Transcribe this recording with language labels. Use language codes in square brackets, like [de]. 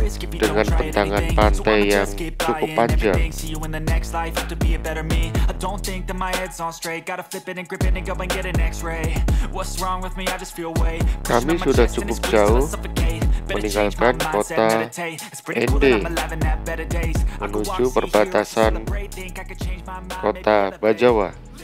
[id] Dengan bentangan pantai yang cukup panjang. [en] See you in the next life, have to be a better me. I don't think that my head's on straight. Gotta flip it and grip it and go and get an x-ray. What's wrong with me? I just feel way. [id] Kami sudah cukup jauh meninggalkan kota ND menuju perbatasan kota Bajawa.